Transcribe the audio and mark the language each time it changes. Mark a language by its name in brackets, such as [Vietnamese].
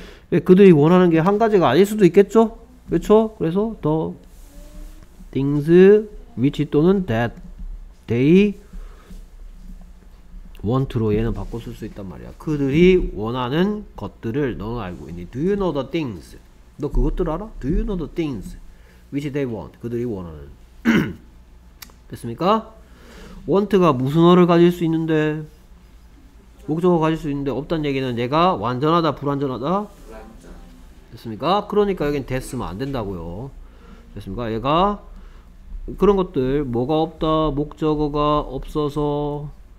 [Korean] 그들이 원하는 게 한 가지가 아닐 수도 있겠죠? 그렇죠? 그래서 [English] the things which [Korean] 또는 [English] that they want로 [Korean] 얘는 바꿔 쓸 수 있단 말이야. 그들이 원하는 것들을 너는 알고 있니? [English] Do you know the things? [Korean] 너 그것들 알아? [English] Do you know the things which they want? [Korean] 그들이 원하는. 됐습니까? want가 무슨 어를 가질 수 있는데 목적어 가질 수 있는데 없다는 얘기는 얘가 완전하다 불완전하다? 불완전. 됐습니까? 그러니까 여긴 됐으면 안 된다고요. 됐습니까? 얘가 그런 것들 뭐가 없다 목적어가 없어서